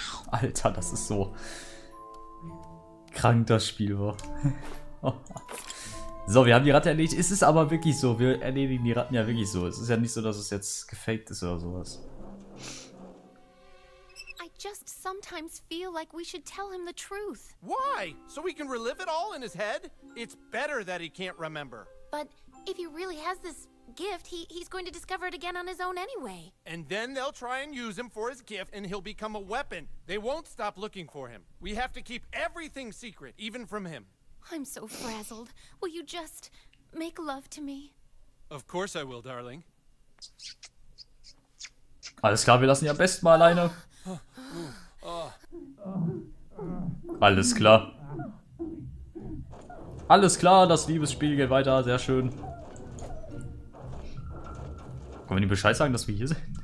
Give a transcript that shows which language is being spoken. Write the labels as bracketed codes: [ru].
[de] Alter, das ist so krank, das Spiel. So, wir haben die Ratte erledigt. Es ist aber wirklich so. Wir erledigen die Ratten ja wirklich so. Es ist ja nicht so, dass es jetzt gefaked ist oder sowas. [en] I just sometimes feel like we should tell him the truth. Why? So we can relive it all in his head? It's better that he can't remember. But if he really has this gift, he's going to discover it again on his own anyway. And then they'll try and use him for his gift, and he'll become a weapon. They won't stop looking for him. We have to keep everything secret, even from him. I'm so frazzled. Will you just make love to me? Of course I will, darling. [de] Alles klar, wir lassen ihn am besten mal alleine. Alles klar. Alles klar, das Liebesspiel geht weiter, sehr schön. Können wir ihm Bescheid sagen, dass wir hier sind?